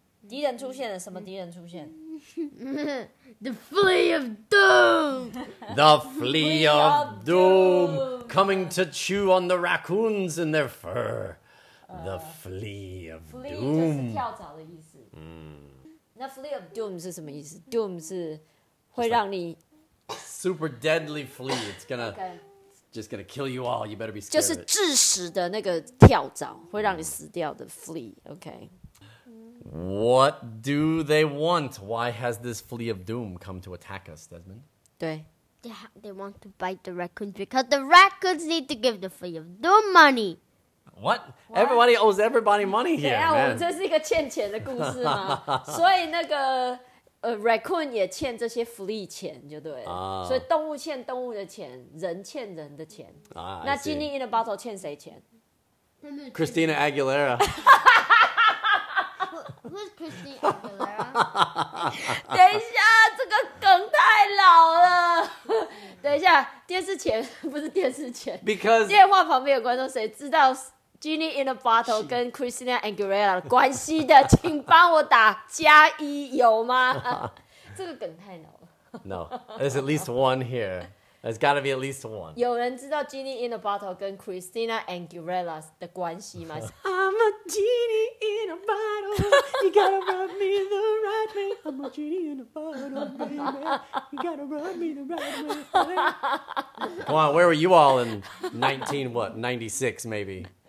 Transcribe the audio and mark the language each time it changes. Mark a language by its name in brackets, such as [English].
[Chinese] 敌人出现了，什么敌人出现？ [English] The flea of doom. The flea of doom coming to chew on the raccoons in their fur. The flea of doom. [Chinese] Flea 就是跳蚤的意思。那 flea of doom 是什么意思？ Doom 是会让你 [English] Super deadly flea. It's gonna just gonna kill you all. You better be scared. [Chinese] 就是致死的那个跳蚤，会让你死掉的 flea. [English] Okay. What do they want? Why has this flea of doom come to attack us, Desmond? [Chinese] 对 [English] they want to bite the raccoons because the raccoons need to give the flea of doom money. What? Everybody owes everybody money here. [Chinese] 等一下，我们这是一个欠钱的故事吗？所以那个。 Raccoon 也欠这些福利钱就对了、 [English] oh. [Chinese] 所以动物欠动物的钱，人欠人的钱、 [English] oh, [Chinese] 那 Genie in a Bottle 欠谁钱？ [English] Christina Aguilera. Who's Christina Aguilera? [Chinese] 等一下，这个梗太老了。等一下，电视前不是电视前， [English] Because [Chinese] 电话旁边有观众，谁知道 Genie in a Bottle 跟 Christina Aguilera 关系的，请帮我打加一有吗？这个梗太老了。 [English] No, there's at least one here. There's got to be at least one. [Chinese] 有人知道 Genie in a Bottle 跟 Christina Aguilera 的关系吗？ [English] I'm a genie in a bottle. You gotta rub me the right way. I'm a genie in a bottle, baby. You gotta rub me the right way. Come on, where were you all in 1996, maybe?